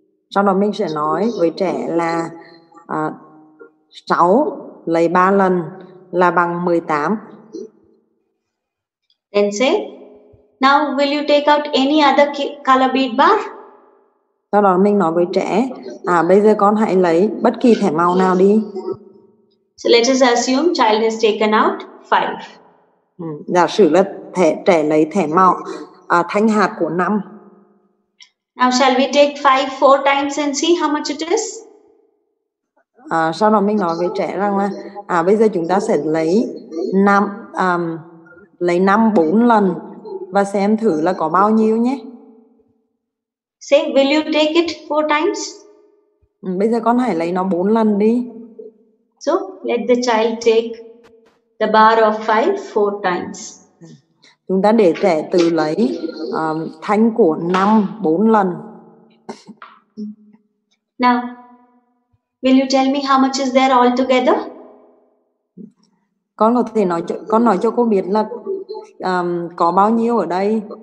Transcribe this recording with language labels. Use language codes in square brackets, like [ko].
[vi] Sau đó mình sẽ nói với trẻ là 6 lấy 3 lần là bằng 18. [en] Then say, now will you take out any other color bead bar? [vi] Sau đó mình nói với trẻ, bây giờ con hãy lấy bất kỳ thẻ màu nào đi. [en] So let us assume child has taken out 5. [vi] Giả sử là trẻ lấy thẻ màu thanh hạt của 5. [en] Now shall we take 5 4 times and see how much it is? [vi] Sau đó mình nói với trẻ rằng là bây giờ chúng ta sẽ lấy 5 lấy 5 4 lần và xem thử là có bao nhiêu nhé. [en] Say, will you take it 4 times? [vi] Bây giờ con hãy lấy nó 4 lần đi. [en] So, let the child take the bar of 5 4 times. [vi] Chúng ta để trẻ tự lấy thanh của 5 4 lần. [en] Now, will you tell me how much is there all together? [vi] Con có thể nói cho, con nói cho cô biết là có bao nhiêu ở đây?